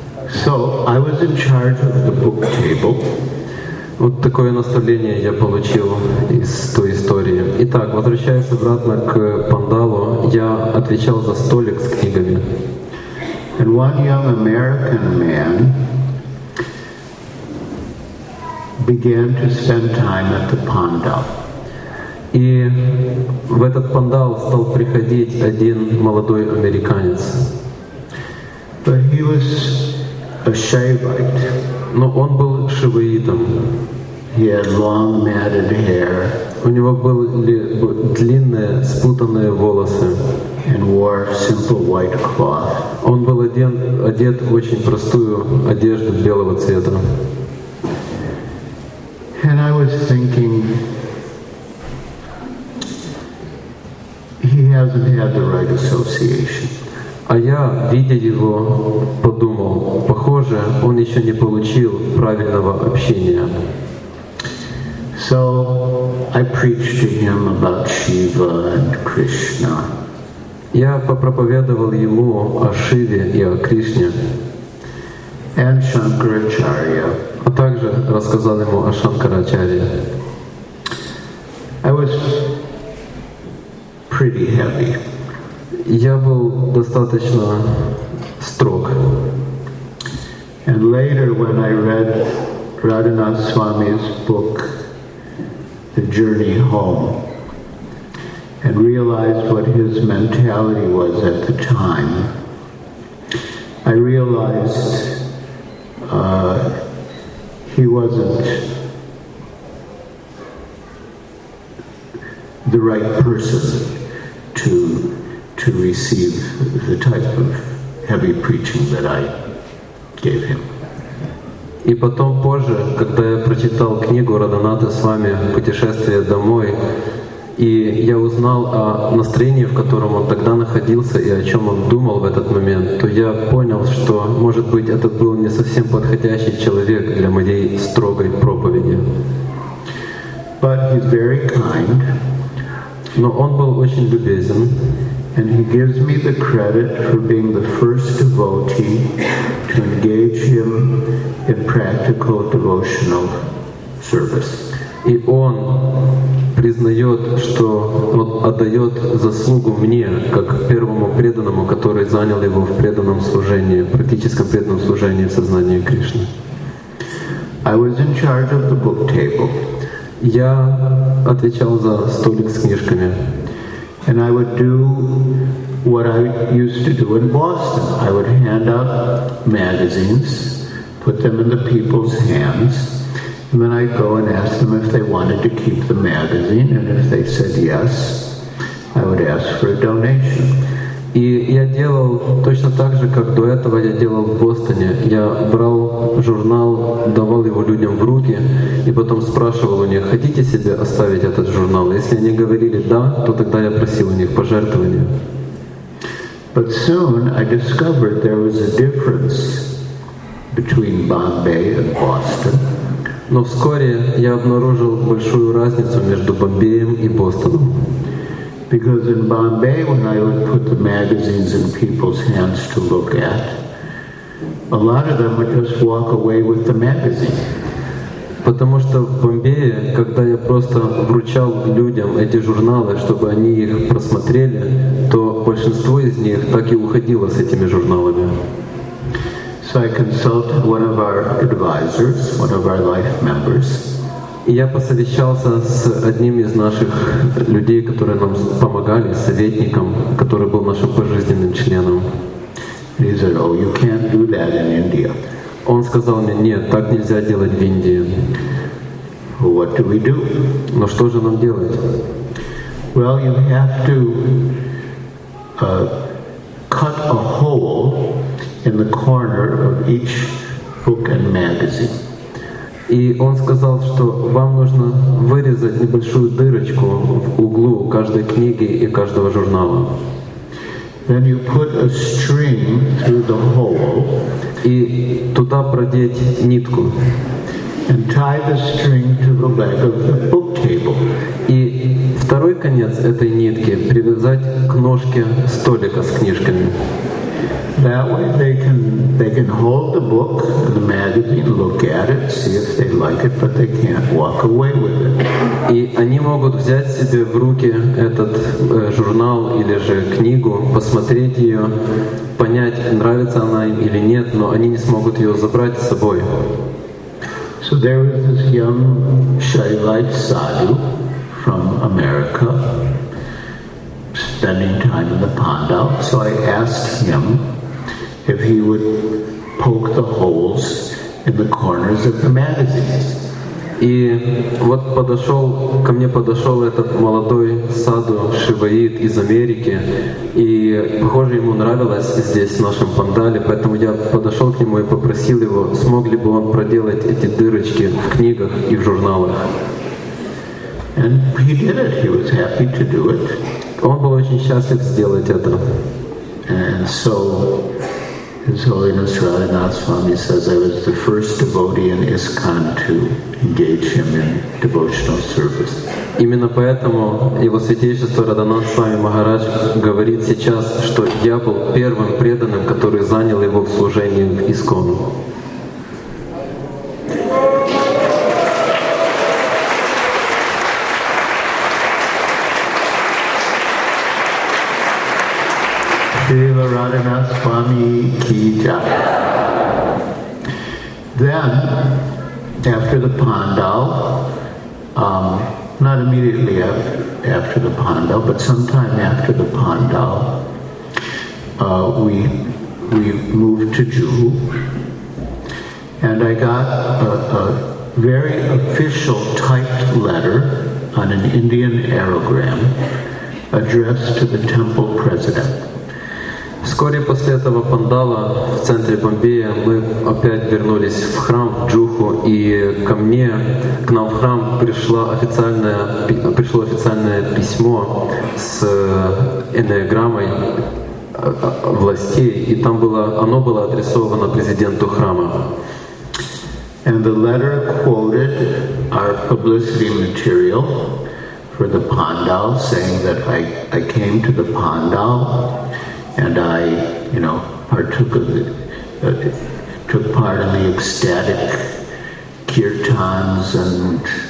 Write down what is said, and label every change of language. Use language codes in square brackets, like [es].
[en] So I was in charge of the book table. [ru] Вот такое наставление я получил из той истории. Итак, возвращаясь обратно к Пандалу, я отвечал за столик с книгами. [en] And one young American man began to spend time at the Pandal. [ru] И в этот Пандал стал приходить один молодой американец. [en] But he was a Shaivite. [ru] Но он был шиваитом. [en] He had long matted hair. [ru] У него были длинные спутанные волосы. [en] And wore simple white cloth. [ru] Он был одет в очень простую одежду белого цвета. [en] And I was thinking, he hasn't had the right association. [ru] А я, видя его, подумал, похоже, он еще не получил правильного общения. [en] So I preached to him about Shiva and Krishna. [ru] Я попроповедовал ему о Шиве и о Кришне. [en] And Shankaracharya. [ru] А также рассказал ему о Шанкарачарье. [en] I was pretty heavy. [ru] Я был достаточно строг. [en] And later when I read Radhanath Swami's book The Journey Home and realized what his mentality was at the time, I realized he wasn't the right person to receive the type of heavy preaching that I gave him. [ru] И потом позже, когда я прочитал книгу Радханата Свами «Путешествие домой», и я узнал о настроении, в котором он тогда находился, и о чем он думал в этот момент, то я понял, что, может быть, это был не совсем подходящий человек для моей строгой проповеди. [en] But he's very kind. [ru] Но он был очень любезен. [en] And he gives me the credit for being the first devotee to engage him in practical devotional service. [ru] И он признает, что вот отдает заслугу мне, как первому преданному, который занял его в преданном служении, практическом преданном служении в сознании Кришны. [en] I was in charge of the book table. [ru] Я отвечал за столик с книжками. [en] And I would do what I used to do in Boston. I would hand out magazines, put them in the people's hands, and then I'd go and ask them if they wanted to keep the magazine, and if they said yes, I would ask for a donation. [ru] И я делал точно так же, как до этого я делал в Бостоне. Я брал журнал, давал его людям в руки и потом спрашивал у них, хотите себе оставить этот журнал? Если они говорили «да», то тогда я просил у них пожертвования. [en] But soon I discovered there was a difference between Bombay and Boston. [ru] Но вскоре я обнаружил большую разницу между Бомбеем и Бостоном. [en] Because in Bombay, when I would put the magazines in people's hands to look at, a lot of them would just walk away with the magazine. [ru] Потому что в Бомбее, когда я просто вручал людям эти журналы, чтобы они их просмотрели, то большинство из них так и уходило с этими журналами. [en] So I consulted one of our advisors, one of our life members. [ru] И я посовещался с одним из наших людей, которые нам помогали, советником, который был нашим пожизненным членом. [en] He said, "Oh, you can't do that in India." [ru] Он сказал мне, нет, так нельзя делать в Индии. [en] What do we do? [ru] Но что же нам делать? [en] Well, you have to cut a hole in the corner of each book and magazine. [ru] И он сказал, что вам нужно вырезать небольшую дырочку в углу каждой книги и каждого журнала. [en] Then you put a string through the hole. [ru] И туда продеть нитку. [en] And tie the string to the leg of the book table. [ru] И второй конец этой нитки привязать к ножке столика с книжками. [en] That way they can hold the book, the magazine, look at it, see if they like it, but they can't walk away with it. [ru] И они могут взять себе в руки этот журнал или же книгу, посмотреть ее, понять, нравится она им или нет, но они не смогут ее забрать с собой. [en] So there was this young Shailite sadhu from America spending time in the Pandal. So I asked him if he would poke the holes in the corners of the magazines. [ru] И вот подошел, ко мне подошел этот молодой саду Шиваид из Америки, и, похоже, ему нравилось здесь, в нашем Пандале, поэтому я подошел к нему и попросил его, смог ли бы он проделать эти дырочки в книгах и в журналах. [en] And he did it. He was happy to do it. [ru] Он был очень счастлив сделать это. [en] And so His Holiness Radhanath Swami says, I was the first devotee in ISKCON to engage him in devotional service. [ru] Именно поэтому Его Святейшество Радханат Свами Махарадж говорит сейчас, что я был первым преданным, который занял его в служении в ISKCON. [hi] Srila Radhanath Swami Ki Jai. [en] Then, after the Pandal, not immediately after the Pandal, but sometime after the Pandal, we moved to Juhu, and I got a very official typed letter on an Indian aerogram addressed to the temple president. [ru] Вскоре после этого пандала в центре Бомбея мы опять вернулись в храм, в Джуху, и ко мне, к нам в храм пришло официальное письмо с энеограммой властей, и там было, оно было адресовано президенту храма. [en] And the letter quoted our publicity material for the pandal, saying that I came to the pandal, and I, you know, took part in the ecstatic kirtans and